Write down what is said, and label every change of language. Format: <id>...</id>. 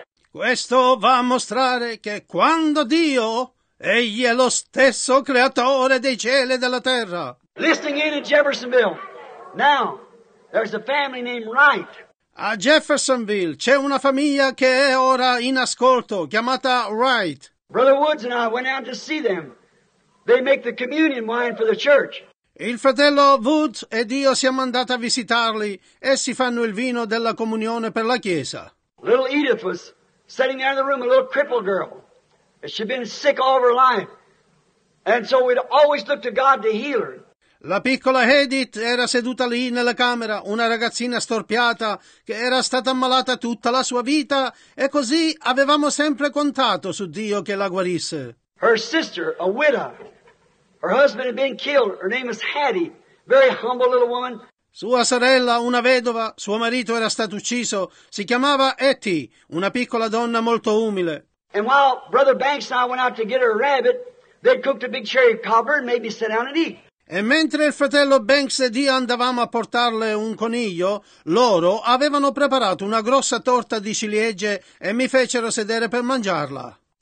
<it>Questo va a mostrare che quando Dio, Egli è lo stesso creatore dei cieli e della terra.</it> <en>Listening in Jeffersonville. Now, there's a family named Wright.</en> <it>A Jeffersonville c'è una famiglia che è ora in ascolto, chiamata Wright.</it> <en>Brother Woods and I went out to see them. They make the communion wine for the church.</en> <it>Il fratello Woods ed io siamo andati a visitarli. Essi fanno il vino della comunione per la chiesa.</it> <en>Little Edith was sitting there in the room, a little crippled girl. She'd been sick all her life. And so we'd always look to God to heal her.</en> <it>La piccola Edith era seduta lì nella camera, una ragazzina storpiata che era stata ammalata tutta la sua vita, e così avevamo sempre contato su Dio che la guarisse.</it> <en>Her sister, a widow, her husband had been killed, her name is Hattie, very humble little woman.</en> <it>Sua sorella, una vedova, suo marito era stato ucciso, si chiamava Hattie, una piccola donna molto umile.</it> <en>And while Brother Banks and I went out to get her a rabbit, they cooked a big cherry cobbler and made me sit down and eat.</en> <it>E mentre il fratello Banks ed io andavamo a portarle un coniglio, loro avevano preparato una grossa torta di ciliegie e mi fecero sedere per mangiarla.</it>